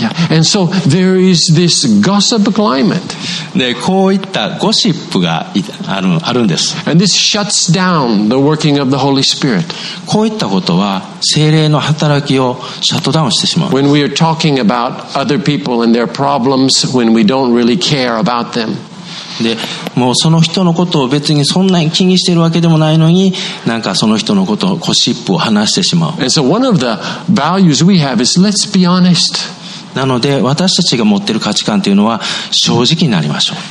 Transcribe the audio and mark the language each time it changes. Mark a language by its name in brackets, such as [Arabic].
[English] And so there is this gossip climate. [Japanese] で、こういったゴシップがあるんです。 [English] And this shuts down the working of the Holy Spirit. [Japanese] こういったことは聖霊の働きをシャットダウンしてしまう。 [English] When we are talking about other people and their problems when we don't really care about them. [Japanese] でもうその人のことを別にそんなに気にしているわけでもないのになんかその人のことをゴシップを話してしまう。 [English] And so one of the values we have is let's be honest. [Japanese] なので私たちが持っている価値観というのは正直になりましょう。